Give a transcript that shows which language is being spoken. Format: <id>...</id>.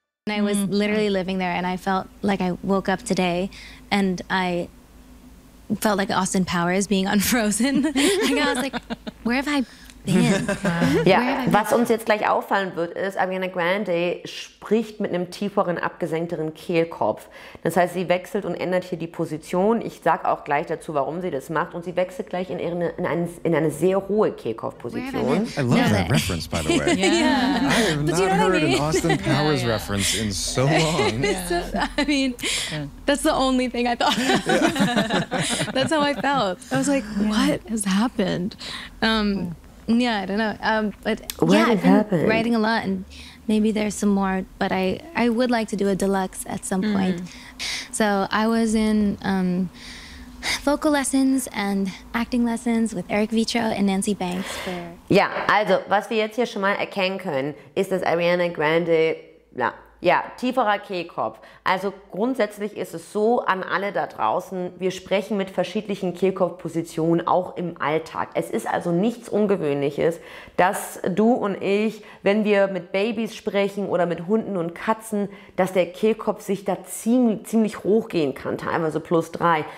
<en>I was literally living there and I felt like I woke up today and I felt like Austin Powers being unfrozen. Like I was like, where have I been?</en> <de>Ja, was uns jetzt gleich auffallen wird, ist, Ariana Grande spricht mit einem tieferen, abgesenkteren Kehlkopf. Das heißt, sie wechselt und ändert hier die Position. Ich sag auch gleich dazu, warum sie das macht. Und sie wechselt gleich in eine sehr hohe Kehlkopfposition.</de> <en>I love that reference, by the way. Yeah. I have not heard an Austin Powers reference in so long. I mean, that's the only thing I thought. That's how I felt. I was like, what has happened? Yeah, I don't know. What happened? Writing a lot and maybe there's some more, but I would like to do a deluxe at some point. So I was in vocal lessons and acting lessons with Eric Vitro and Nancy Banks.</en> <de>Ja, also was wir jetzt hier schon mal erkennen können, ist, dass Ariana Grande, ja, tieferer Kehlkopf. Also grundsätzlich ist es so, an alle da draußen, wir sprechen mit verschiedenen Kehlkopfpositionen auch im Alltag. Es ist also nichts Ungewöhnliches, dass du und ich, wenn wir mit Babys sprechen oder mit Hunden und Katzen, dass der Kehlkopf sich da ziemlich hoch gehen kann, teilweise plus 3.</de>